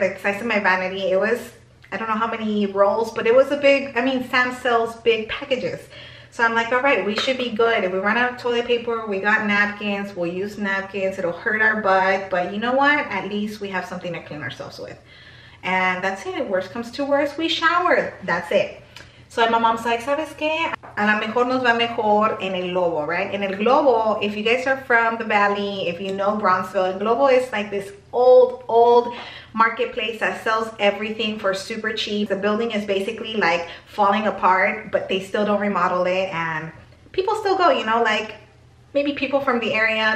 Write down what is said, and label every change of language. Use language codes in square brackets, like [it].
[en] Like the size of my vanity. It was, I don't know how many rolls, but it was a big, I mean, Sam sells big packages. So I'm like, all right, we should be good. If we run out of toilet paper, we got napkins, we'll use napkins, it'll hurt our butt. But you know what? At least we have something to clean ourselves with. And that's it, worst comes to worst, we shower, that's it. So my mom's like, [es] ¿sabes qué? A lo mejor nos va mejor en el Globo, right? [en] En el Globo, if you guys are from the Valley, if you know Bronzeville, el Globo is like this old, old marketplace that sells everything for super cheap. The building is basically like falling apart, but they still don't remodel it. And people still go, you know, like maybe people from the area.